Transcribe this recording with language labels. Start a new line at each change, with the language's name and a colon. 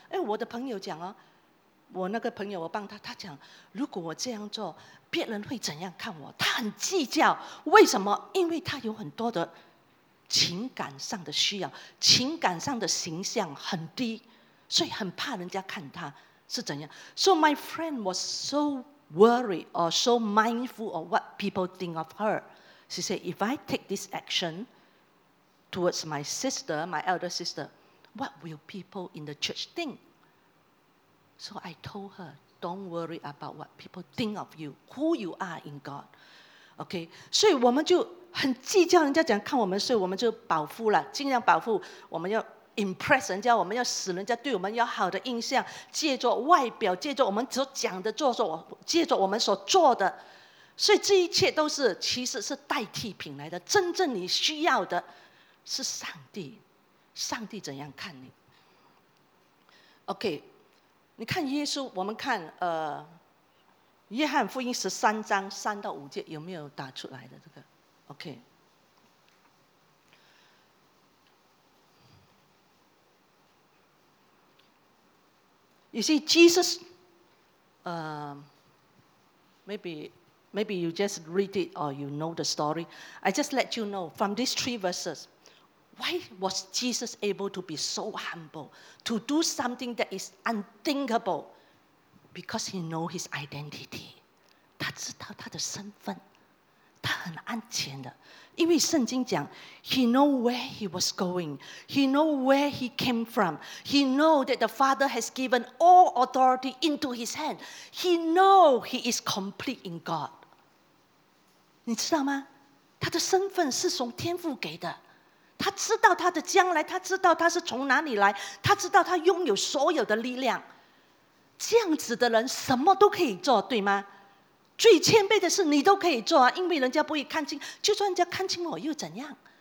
Chinese: 哎，我的朋友讲哦，我那个朋友，我帮他，他讲，如果我这样做，别人会怎样看我？他很计较，为什么？因为他有很多的情感上的需要，情感上的形象很低，所以很怕人家看他是怎样。
English: So my friend was so worried or so mindful of what people think of her. She said, if I take this action towards my sister, my elder sister, what will people in the church think? So I told her, don't worry about what people think of you, who you are in God.
Chinese: Okay, 所以我们就很计较人家讲看我们，所以我们就保护了，尽量保护，我们要 impress 人家，我们要使人家对我们要好的印象，借着外表，借着我们所讲的做，借着我们所做的，所以这一切都是其实是代替品来的。真正你需要的是上帝，上帝怎样看你。 OK， 你看耶稣，我们看约翰福音十三章三到五节，有没有打出来的这个？
English: OK， 你 see Jesus， maybe you just read it or you know the story. I just let you know from these three verses, why was Jesus able to be so humble to do something that is unthinkable? Because he knows his identity.
Chinese: 他知道他的身份。他很安全的，因为圣经讲
English: He know where he was going. He know where he came from. He know that the Father has given all authority into his hand. He know he is complete in God.
Chinese: 你知道吗？他的身份是从天父给的，他知道他的将来，他知道他是从哪里来，他知道他拥有所有的力量。这样子的人什么都可以做，对吗？最谦卑的事你都可以做啊，因为人家不会看清，就算人家看清我又怎样？